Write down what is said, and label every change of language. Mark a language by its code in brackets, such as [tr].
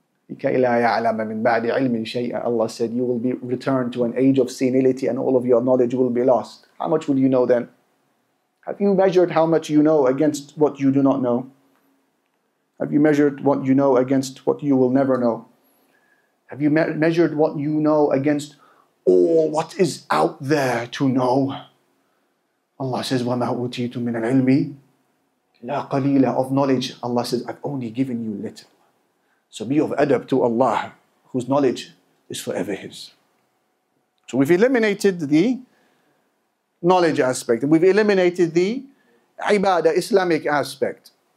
[en] Allah said, you will be returned to an age of senility and all of your knowledge will be lost. How much will you know then? Have you measured how much you know against what you do not know? Have you measured what you know against what you will never know? Have you measured what you know against all what is out there to know? Allah says, [ar] وَمَا أُوتِيتُم مِّنَ الْعِلْمِ لَا قَلِيلًا. [en] Of knowledge, Allah says, I've only given you little. So be of adab to Allah, whose knowledge is forever His. So we've eliminated the knowledge aspect. We've eliminated the ibadah, Islamic aspect.